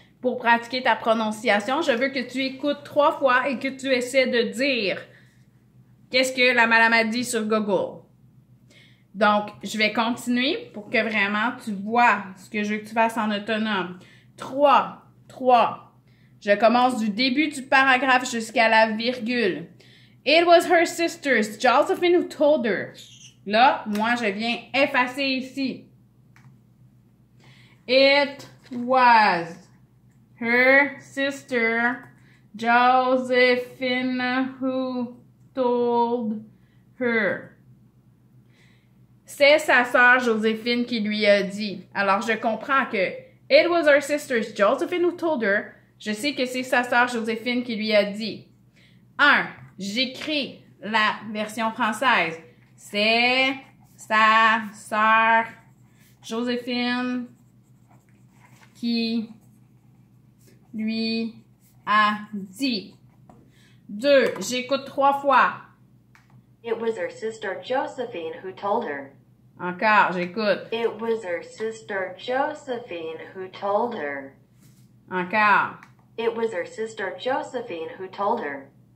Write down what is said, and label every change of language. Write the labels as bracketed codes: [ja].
[fr] Pour pratiquer ta prononciation, je veux que tu écoutes trois fois et que tu essaies de dire qu'est-ce que la madame a dit sur Google. Donc, je vais continuer pour que vraiment tu vois ce que je veux que tu fasses en autonome. Trois, trois. Je commence du début du paragraphe jusqu'à la virgule. [en] It was her sister's, Josephine, who told her. [fr] Là, moi, je viens effacer ici. [en] It was her sister, Josephine, who told her. [fr] C'est sa sœur Josephine qui lui a dit. Alors, je comprends que [en] it was her sister, Josephine, who told her. [fr] Je sais que c'est sa sœur Josephine qui lui a dit. Un, j'écris la version française. C'est sa sœur Josephine qui lui a dit. Deux, j'écoute trois fois. [en] It was her sister Josephine who told her. [fr] Encore, j'écoute. [en] It was her sister Josephine who told her. [fr] Encore. [en] It was her sister Josephine who told her.